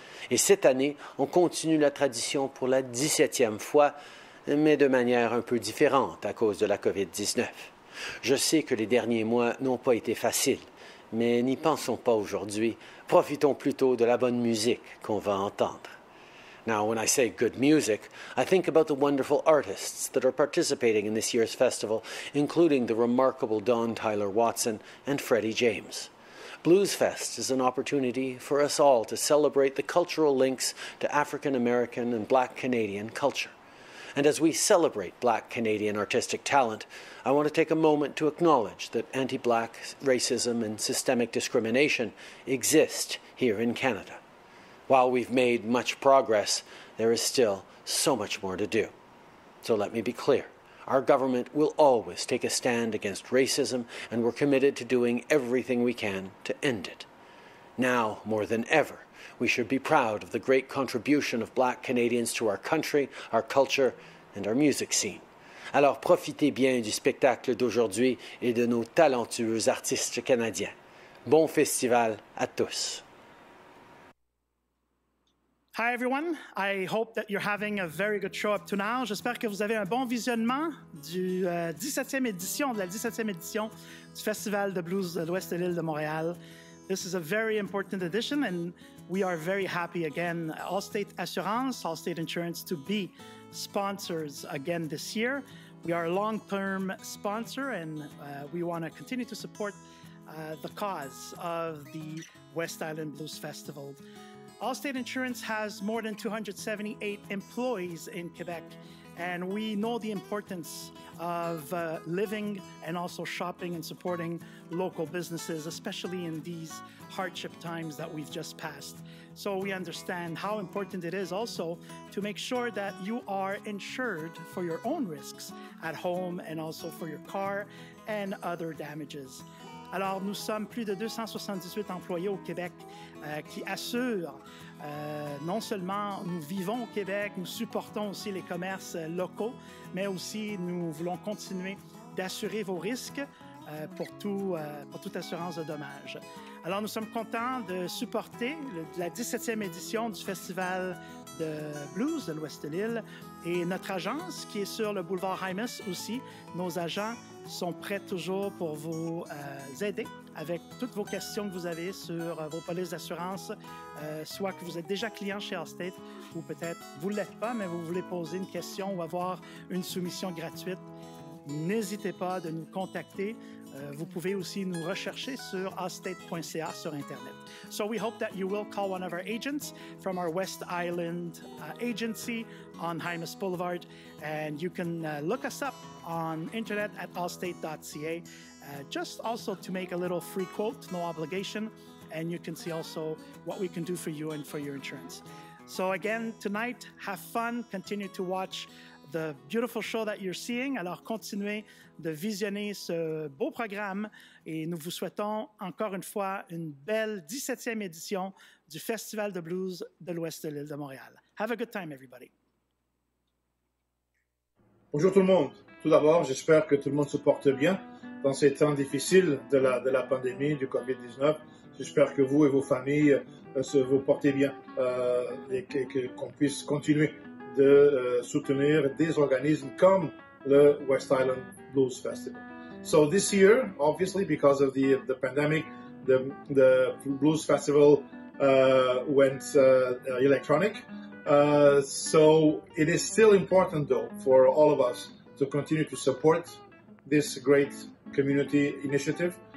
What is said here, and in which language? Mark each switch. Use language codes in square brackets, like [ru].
[fr] Et cette année, on continue la tradition pour la 17e fois, mais de manière un peu différente à cause de la COVID-19. Je sais que les derniers mois n'ont pas été faciles, mais n'y pensons pas aujourd'hui. Profitons plutôt de la bonne musique qu'on va entendre. [en] Now, when I say good music, I think about the wonderful artists that are participating in this year's festival, including the remarkable Don Tyler Watson and Freddie James. Bluesfest is an opportunity for us all to celebrate the cultural links to African American and Black Canadian culture. And as we celebrate Black Canadian artistic talent, I want to take a moment to acknowledge that anti-Black racism and systemic discrimination exist here in Canada. While we've made much progress, there is still so much more to do. So let me be clear. Our government will always take a stand against racism, and we're committed to doing everything we can to end it. Now, more than ever, we should be proud of the great contribution of Black Canadians to our country, our culture, and our music scene. [fr] Alors profitez bien du spectacle d'aujourd'hui et de nos talentueux artistes canadiens. Bon festival à tous. [en] Hi everyone, I hope that you're having a very good show up to now. [fr] J'espère que vous avez un bon visionnement du 17e édition, de la 17e édition du Festival de Blues de l'Ouest de l'île de Montréal. [en] This is a very important edition and we are very happy again, Allstate Assurance, Allstate Insurance, to be sponsors again this year. We are a long-term sponsor and we want to continue to support the cause of the West Island Blues Festival. Allstate Insurance has more than 278 employees in Quebec And we know the importance of living and also shopping and supporting local businesses, especially in these hardship times that we've just passed. So we understand how important it is also to make sure that you are insured for your own risks at home and also for your car and other damages. [fr] Alors, nous sommes plus de 278 employés au Québec qui assurent non seulement nous vivons au Québec, nous supportons aussi les commerces locaux, mais aussi nous voulons continuer d'assurer vos risques pour toute assurance de dommages. Alors, nous sommes contents de supporter la 17e édition du Festival de blues de l'Ouest de l'île et notre agence qui est sur le boulevard Hymas aussi, nos agents sont prêts toujours pour vous aider avec toutes vos questions que vous avez sur vos polices d'assurance, soit que vous êtes déjà client chez Allstate ou peut-être vous ne l'êtes pas, mais vous voulez poser une question ou avoir une soumission gratuite, n'hésitez pas de nous contacter. Vous pouvez aussi nous rechercher sur allstate.ca sur Internet. [en] So we hope that you will call one of our agents from our West Island agency on Hymas Boulevard. And you can look us up on Internet at allstate.ca. Just also to make a little free quote, no obligation. And you can see also what we can do for you and for your insurance. So again, tonight, have fun. Continue to watch the beautiful show that you're seeing. [fr] Alors, continuez de visionner ce beau programme et nous vous souhaitons encore une fois une belle 17e édition du Festival de blues de l'Ouest de l'île de Montréal. [en] Have a good time, everybody. [fr] Bonjour tout le monde. Tout d'abord, j'espère que tout le monde se porte bien dans ces temps difficiles de la pandémie, du COVID-19. J'espère que vous et vos familles vous portez bien et qu'on puisse continuer de soutenir des organismes comme le West Island Blues Festival. [en] So this year, obviously, because of the pandemic, the Blues Festival went electronic. So it is still important, though, for all of us to continue to support this great community initiative.